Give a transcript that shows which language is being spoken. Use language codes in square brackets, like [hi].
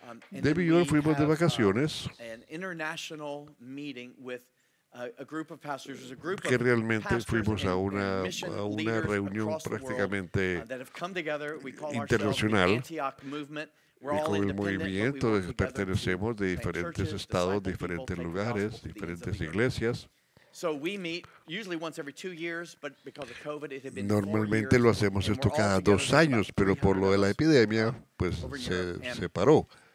[es] Debbie y yo fuimos de vacaciones que realmente fuimos a una reunión prácticamente internacional y con el movimiento pertenecemos de diferentes estados, diferentes lugares, diferentes iglesias. [en] So we meet usually once every 2 years, but because of COVID, it had been. [es] Normalmente [en] four years, [es] lo hacemos esto cada dos años, pero por lo de la epidemia, pues se paró.